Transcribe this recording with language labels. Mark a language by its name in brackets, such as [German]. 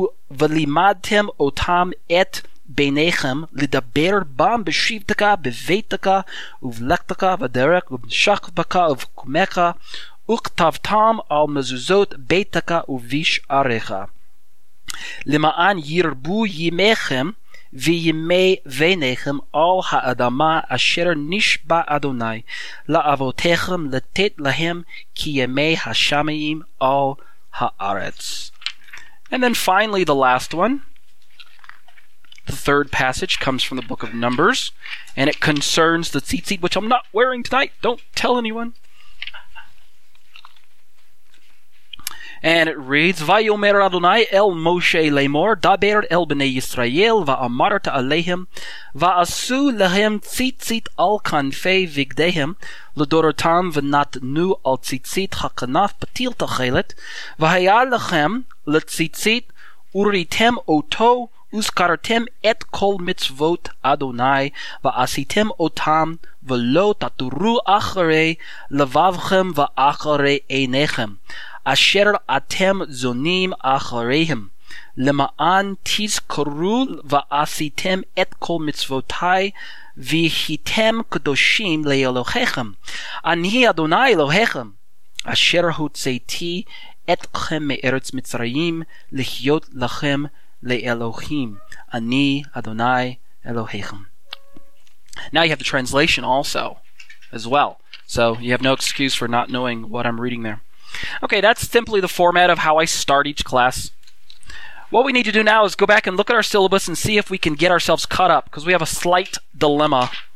[Hebrew] ולימדתם אותם את ביניכם לדבר בם בשבתך, בביתך, ובלכתך, ודרך, ובשכבך, ובקומך, וכתבתם על מזוזות ביתך ובשעריך. למען ירבו ימיכם וימי ביניכם על האדמה אשר נשבע אדוני לאבותיכם לתת להם כימי השמיים על הארץ. [English] And then finally the last one. The third passage comes from the book of Numbers, and it concerns the tzitzit, which I'm not wearing tonight. Don't tell anyone. And it reads, [Hebrew] Vayomer Adonai el Moshe lemor, daber el bnei Yisrael, va'amarta aleihem, va'asu lehem tzitzit al kanfei vigdehem, ledorotam v'natnu al tzitzit hakanaf patil tachelet, v'haya lehem letzitzit uritem oto וזכרתם את כל מצוות אדוני, ועשיתם אותם, ולא תתורו אחרי לבבכם ואחרי עיניכם, אשר אתם זונים אחריהם. למען תזכרו ועשיתם את כל מצוותי, והייתם קדושים לאלוהיכם. אני אדוני אלוהיכם, אשר הוצאתי אתכם מארץ מצרים, להיות לכם לאלוהים, אני אדוני אלוהיכם. [English] Now you have the translation also, as well. So you have no excuse for not knowing what I'm reading there. Okay, that's simply the format of how I start each class. What we need to do now is go back and look at our syllabus and see if we can get ourselves caught up, because we have a slight dilemma.